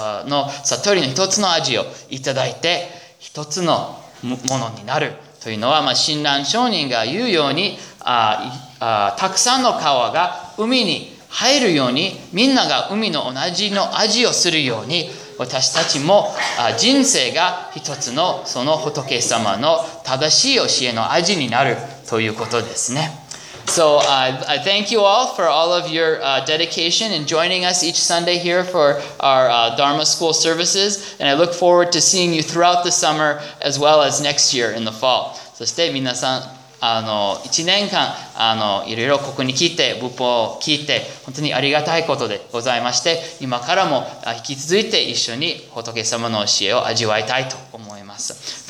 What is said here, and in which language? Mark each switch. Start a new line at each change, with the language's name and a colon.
Japanese: の悟りの一つの味をいただいて一つのものになるというのは、まあ、親鸞聖人が言うように、たくさんの川が海に入るように、みんなが海の同じの味をするように、私たちも人生が一つのその仏様の正しい教えの味になるということですね。
English: So, I thank you all for all of your dedication and joining us each Sunday here for our Dharma School services. And I look forward to seeing you throughout the summer as well as next year in the fall.
Japanese: そして皆さん、1年間いろいろここに来て、仏法を聞いて、本当にありがたいことでございまして、今からも引き続いて一緒に仏様の教えを味わいたいと思います。